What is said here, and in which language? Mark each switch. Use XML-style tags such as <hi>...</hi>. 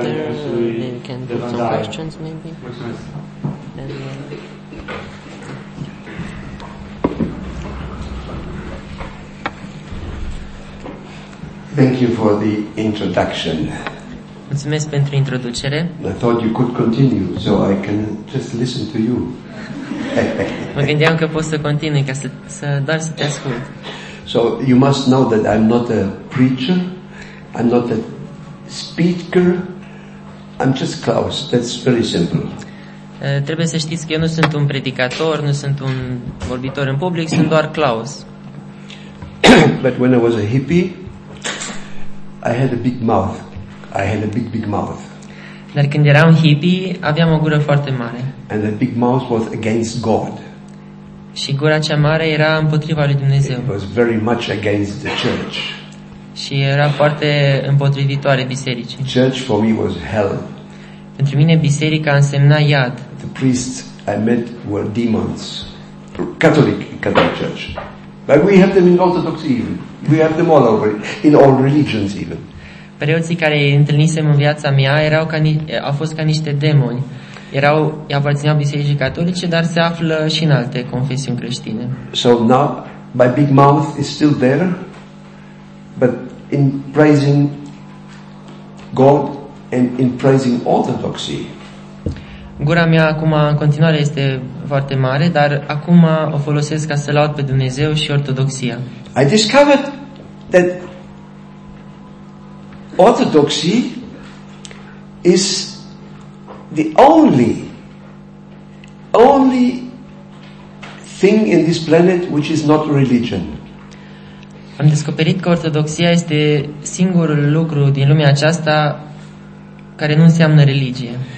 <ro>lucrului de vândare. Mulțumesc!</ro> <en>Thank you for the introduction.</en> <ro>Mulțumesc pentru introducere.</ro> <en>I thought you could continue, so I can just listen to you.</en> <ro>Mă gândeam că pot să continui, ca să doar să te ascult.</ro> <en>So you must know that I'm not a preacher, I'm not a speaker, I'm just Klaus. That's very simple.</en> <ro>Trebuie să știți că eu nu sunt un predicator, nu sunt un vorbitor în public, sunt doar Klaus.</ro> <en>But when I was a hippie, I had a big mouth.</en> <ro>Dar când era un hippie, aveam o gură foarte mare.</ro> <en>And the big mouth was against God.</en> <ro>Și gura cea mare era împotriva lui Dumnezeu.</ro> <en>It was very much against the church.</en> <ro>Și era foarte împotrivitoare bisericii.</ro> <en>Church for me was hell.</en> <ro>Pentru mine biserica însemna iad.</ro> <en>The priests I met were demons. Catholic, Catholic church. But we have them in Orthodox even. We have them all over, in all religions even.</en> <ro>Preoții care îi întâlnisem în viața mea erau ca au fost ca niște demoni. Erau, aparțineau bisericii catolice, dar se află și în alte confesiuni creștine.</ro> <en>So now my big mouth is still there, but in praising God and in praising Orthodoxy.</en> <ro>Gura mea acum în continuare este foarte mare, dar acum o folosesc ca să laud pe Dumnezeu și Ortodoxia.</ro> <en>I discovered that Orthodoxy is the only thing in this planet which is not religion.</en> <ro>Am descoperit că Ortodoxia este singurul lucru din lumea aceasta care nu înseamnă religie.</ro>